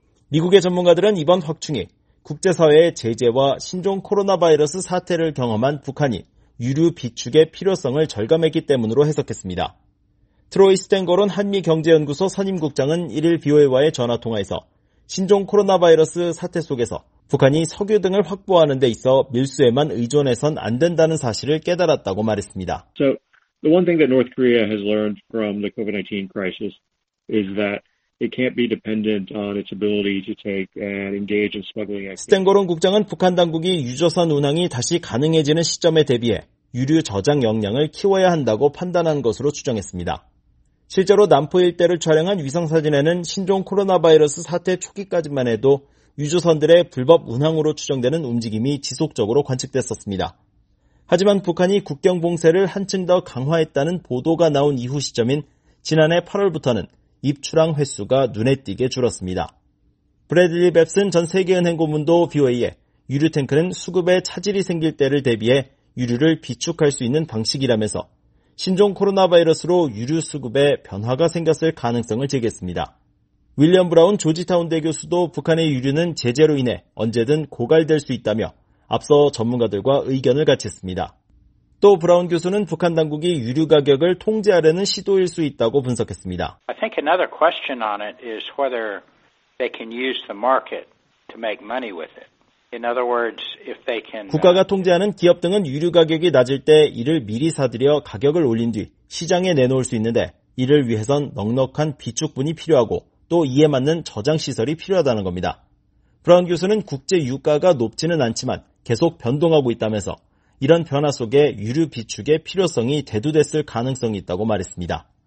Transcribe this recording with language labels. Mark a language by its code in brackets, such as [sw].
[ko] 미국의 전문가들은 이번 확충이 국제사회의 제재와 신종 코로나 바이러스 사태를 경험한 북한이 유류 비축의 필요성을 절감했기 때문으로 해석했습니다. 트로이 스탠거론 한미경제연구소 선임국장은 1일 BOA와의 전화통화에서 신종 코로나 바이러스 사태 속에서 북한이 석유 등을 확보하는 데 있어 밀수에만 의존해선 안 된다는 사실을 깨달았다고 말했습니다. [en] The one thing that North Korea has learned from the COVID-19 crisis is that it can't be dependent on its ability to take and engage in smuggling activity. [ko] 스탠거론 국장은 북한 당국이 유조선 운항이 다시 가능해지는 시점에 대비해 유류 저장 역량을 키워야 한다고 판단한 것으로 추정했습니다. 실제로 남포 일대를 촬영한 위성사진에는 신종 코로나 바이러스 사태 초기까지만 해도 유조선들의 불법 운항으로 추정되는 움직임이 지속적으로 관측됐었습니다. 하지만 북한이 국경 봉쇄를 한층 더 강화했다는 보도가 나온 이후 시점인 지난해 8월부터는 입출항 횟수가 눈에 띄게 줄었습니다. 브래들리 뱁슨 전 세계은행 고문도 BOA에 유류 탱크는 수급에 차질이 생길 때를 대비해 유류를 비축할 수 있는 방식이라면서 신종 코로나 바이러스로 유류 수급에 변화가 생겼을 가능성을 제기했습니다. 윌리엄 브라운 조지타운 대교수도 북한의 유류는 제재로 인해 언제든 고갈될 수 있다며 앞서 전문가들과 의견을 같이 했습니다. 또 브라운 교수는 북한 당국이 유류 가격을 통제하려는 시도일 수 있다고 분석했습니다. [en] I think another question on it is whether they can use the market to make money with it. In other words, if they can [ko] 국가가 통제하는 기업 등은 유류 가격이 낮을 때 이를 미리 사들여 가격을 올린 뒤 시장에 내놓을 수 있는데 이를 위해선 넉넉한 비축분이 필요하고 또 이에 맞는 저장 시설이 필요하다는 겁니다. 브라운 교수는 국제 유가가 높지는 않지만 계속 변동하고 있다면서 이런 변화 속에 유류 비축의 필요성이 대두됐을 가능성이 있다고 말했습니다.